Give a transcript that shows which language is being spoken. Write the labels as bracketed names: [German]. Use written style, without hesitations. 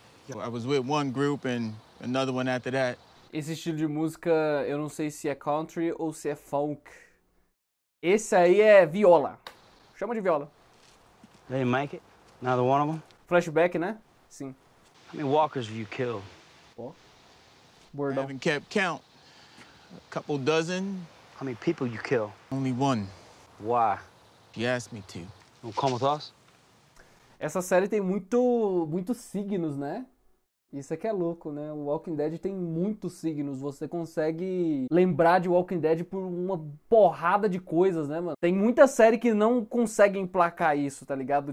[English] I was with one group and another one after that. [Portuguese] Esse estilo de música, eu não sei se é country ou se é folk. Esse aí é viola. Chama de viola. [English] They make it. Another one of them. [Portuguese] Flashback, né? Sim. [English] How many walkers have you killed? Word I haven't kept count. A couple dozen. How many people you kill? Only one. Why? You asked me to. You'll come with us? [Portuguese] Essa série tem muitos signos, né? Isso é que é louco, né? O Walking Dead tem muitos signos. Você consegue lembrar de Walking Dead por uma porrada de coisas, né, mano? Tem muita série que não consegue emplacar isso, tá ligado?